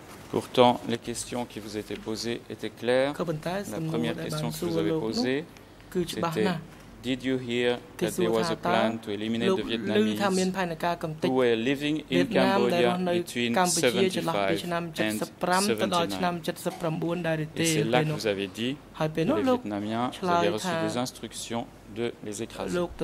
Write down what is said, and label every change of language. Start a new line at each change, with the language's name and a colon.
French: Pourtant, les questions qui vous étaient posées étaient claires. La première question que vous avez posée, c'était
English: did you hear that there was a plan to eliminate the Vietnamese who were living in Cambodia between 1975 and 1979?
French: Et c'est là que vous avez dit que les Vietnamiens avaient reçu des instructions de les écraser.